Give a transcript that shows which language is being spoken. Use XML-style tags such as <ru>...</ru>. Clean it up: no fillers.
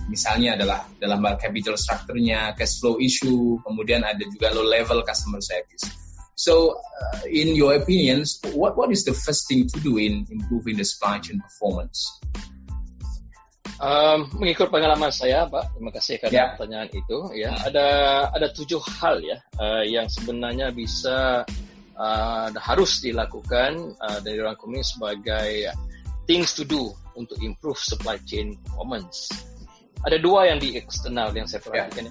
<id>Misalnya adalah dalam hal</id> <en>capital structure-nya, cash flow issue,</en> <id>kemudian ada juga</id> <en>low level customer service. So, in your opinions, what is the first thing to do in improving the supply chain performance?</en> <id>Mengikut pengalaman saya, Pak, terima kasih karena pertanyaan itu. Ya, ada 7 hal ya yang sebenarnya bisa harus dilakukan dari rangkumnya sebagai</id> <en>things to do</en> <id>untuk</id> <en>improve supply chain performance.</en> <id>Ada 2 yang di eksternal yang saya perhatikan.</id>